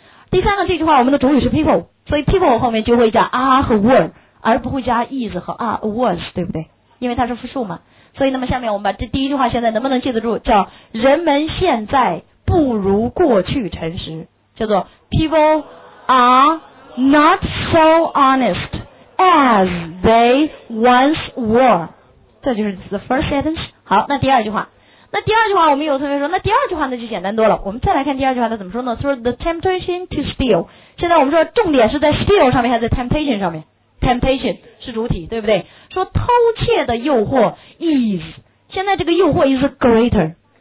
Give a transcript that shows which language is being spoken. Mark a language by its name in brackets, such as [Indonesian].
[Chinese] 第三个，这句话我们的主语是 people， 所以 people 后面就会加 are 和 were， 而不会加 is 和 are was， 对不对？因为它是复数嘛。所以那么下面我们把这第一句话现在能不能记得住，叫人们现在不如过去诚实，叫做 [English] people are not so honest as they once were. [Chinese] 这就是 [English] the first sentence. [Chinese] 好，那第二句话。那第二句话我们有同学说，那第二句话那就简单多了。我们再来看第二句话它怎么说呢？ [English] 说 the temptation to steal. [Chinese] 现在我们说重点是在 steal 上面还是在 temptation 上面？Temptation 是主体，对不对？说偷窃的诱惑 is. 现在这个诱惑 [English] is greater.